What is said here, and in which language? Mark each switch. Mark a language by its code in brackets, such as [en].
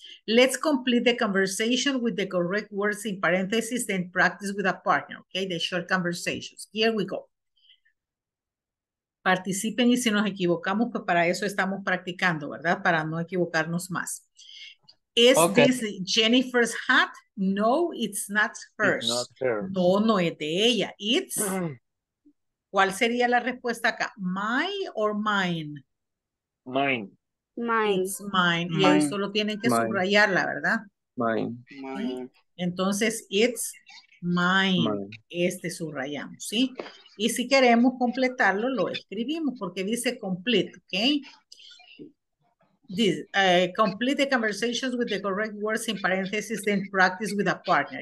[en] Let's complete the conversation with the correct words in parentheses and practice with a partner, okay? The short conversations. Here we go. [es] Participen y si nos equivocamos, pues para eso estamos practicando, ¿verdad? Para no equivocarnos más. [en] Is okay. This Jennifer's hat? No, it's not hers. It's not [es] hers. No, no es de ella. It's, ¿cuál sería la respuesta acá? [en] My or mine? Mine. Mine. It's mine. Mine. [es] Y ahí solo tienen que mine. Subrayarla, ¿verdad? [en] Mine. Mine. [es] Entonces, [en] it's mine. Mine. [es] Este subrayamos, ¿sí? Y si queremos completarlo, lo escribimos porque dice complete, ¿ok? [en] This, complete the conversations with the correct words in parentheses then practice with a partner.